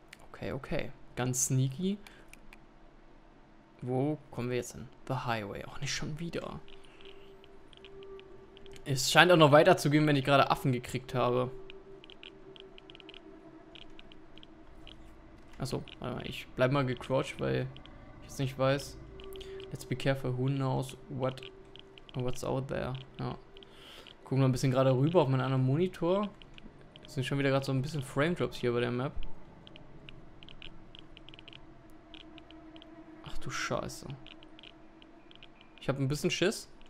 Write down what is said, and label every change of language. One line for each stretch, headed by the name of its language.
German: Okay, okay. Ganz sneaky. Wo kommen wir jetzt hin? The Highway. Auch nicht schon wieder. Es scheint auch noch weiter zu gehen, wenn ich gerade Affen gekriegt habe. Achso, warte mal. Ich bleib mal gecrouched, weil ich jetzt nicht weiß.
English: Let's be careful. Who knows what, what's out there. Ja.
German: Gucken wir ein bisschen gerade rüber auf meinen anderen Monitor. Es sind schon wieder gerade so ein bisschen Frame Drops hier bei der Map. Du Scheiße. Ich habe ein bisschen Schiss.